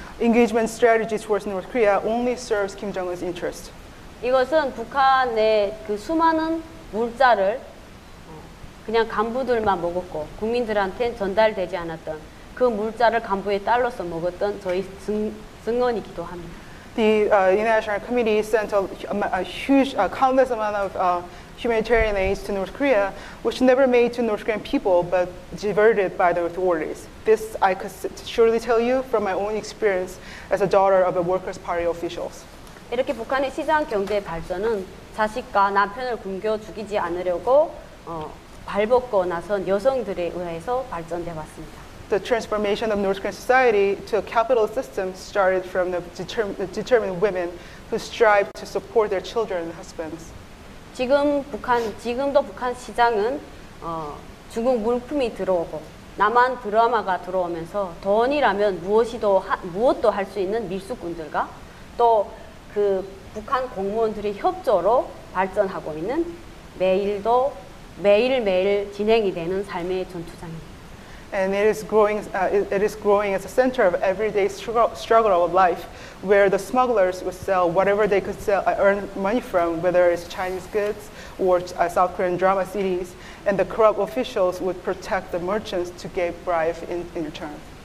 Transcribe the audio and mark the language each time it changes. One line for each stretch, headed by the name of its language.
English: Engagement strategy towards North Korea only serves Kim Jong-un's interest.
Korean: 이것은 북한의 그 수많은 물자를 그냥 간부들만 먹었고 국민들한테 전달되지 않았던 그 물자를 간부의 딸로서 먹었던 저희 증언이기도 합니다.
English: The International Committee sent countless amount of humanitarian aid to North Korea, which never made to North Korean people but diverted by the authorities. This I could surely tell you from my own experience as a daughter of a Workers' Party officials.
Korean: 이렇게 북한의 시장 경제 발전은 자식과 남편을 굶겨 죽이지 않으려고 발벗고 나선 여성들에 의해서 발전돼 왔습니다.
English: The transformation of North Korean society to a capital system started from the determined women who strive to support their children and husbands.
Korean: 지금도 북한 시장은 중국 물품이 들어오고 남한 드라마가 들어오면서 돈이라면 무엇도 할 수 있는 밀수꾼들과 또 그 북한 공무원들의 협조로 발전하고 있는 매일도 매일매일 진행이 되는 삶의 전투장입니다.
English: And it is growing as a center of everyday struggle of life, where the smugglers would sell whatever they could sell, earn money from, whether it's Chinese goods or South Korean drama series, and the corrupt officials would protect the merchants to get bribe in return.